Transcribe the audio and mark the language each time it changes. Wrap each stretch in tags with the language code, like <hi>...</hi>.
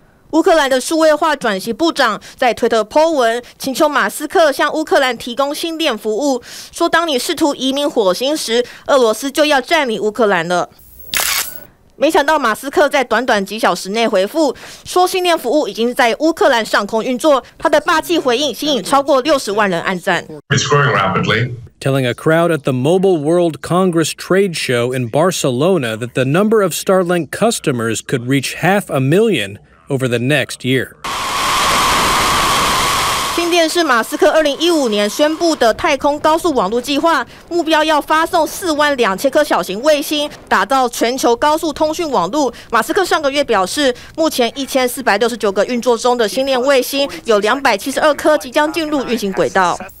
<zh>乌克兰的数位化转型部长在推特po文，请求马斯克向乌克兰提供星链服务，说当你试图移民火星时，俄罗斯就要占领乌克兰了。没想到马斯克在短短几小时内回复说，训练服务已经在乌克兰上空运作。他的霸气回应吸引超过600,000人按赞。</zh> <en>It's growing rapidly. Telling a crowd at the Mobile World Congress trade show in Barcelona that the number of Starlink customers could reach 500,000 over the next year.</en> <zh>新电是马斯克2015年宣布的太空高速网络计划，目标要发送42,000颗小型卫星，打造全球高速通讯网络。马斯克上个月表示，目前1469个运作中的新电卫星，有272颗即将进入运行轨道。</zh>